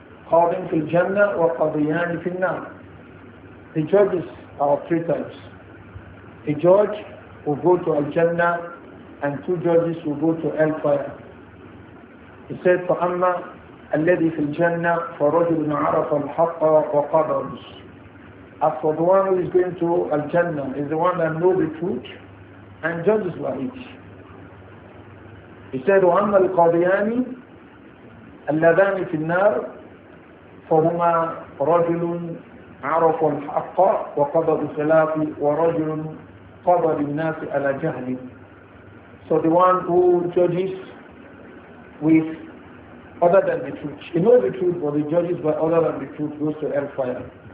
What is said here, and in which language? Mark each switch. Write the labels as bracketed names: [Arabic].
[Arabic] قاضٍ في الجنة وقاضيان في النار. [English] The judges are three types. A judge will go to الجنة and two judges will go to hellfire. He said, [Arabic] فأما الذي في الجنة فرجل عرف الحق وقدر. [English] As for the one who is going to الجنة is the one that knows the truth and judges right. He said, [Arabic] وأما القاضيان اللذان في النار فهما رجل عرف الحق وقضى بخلافه ورجل قضى للناس على جهله. [English] So the one who judges with other than the truth, he knows the truth but he judges by other than the truth, goes to hellfire.